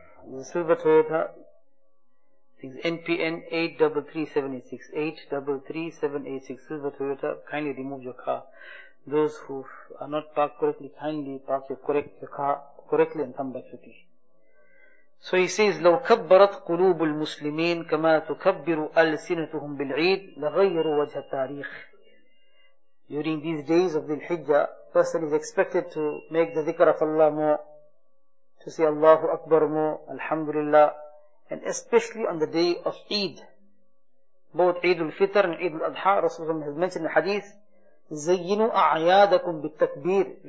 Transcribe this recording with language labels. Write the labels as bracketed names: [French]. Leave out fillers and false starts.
[English] The silver Toyota is NPN 833786. 833786, silver Toyota. Kindly remove your car. those who are not parked correctly, kindly park your car correctly and come back to tea. So he says, [Arabic] لَوْ كَبَّرَتْ قُلُوبُ الْمُسْلِمِينَ كَمَا تُكَبِّرُ أَلْسِنَتُهُمْ بِالْعِيدِ لَغَيَّرُ وَجْهَ التَّارِيخِ. [English] During these days of the Hijjah, person is expected to make the dhikr of Allah more, to say Allahu Akbar more, Alhamdulillah, and especially on the day of Eid. Both Eid al-Fitr and Eid al-Adha, Rasulullah has mentioned the hadith, [Arabic] زَيِّنُوا أَعْيَادَكُمْ بِالتَّكْبِيرِ.